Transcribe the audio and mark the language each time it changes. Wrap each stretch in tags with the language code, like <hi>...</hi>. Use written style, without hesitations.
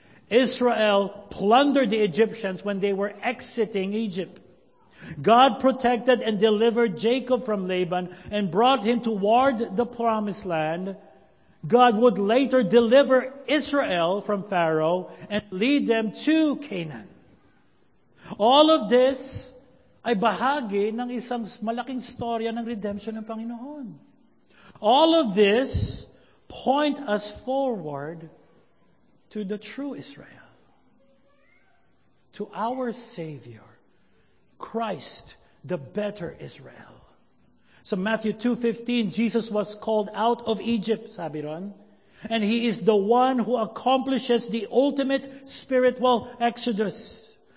<en>Israel plundered the Egyptians when they were exiting Egypt. God protected and delivered Jacob from Laban and brought him towards the promised land. God would later deliver Israel from Pharaoh and lead them to Canaan. All of this</en> <tl>ay bahagi ng isang malaking storya ng redemption ng Panginoon.</tl> <en>All of this point us forward to the true Israel, to our Savior, Christ, the better Israel. So Matthew 2:15, Jesus was called out of Egypt,</en> <tl>sabi ron,</tl> <en>and he is the one who accomplishes the ultimate spiritual exodus.</en>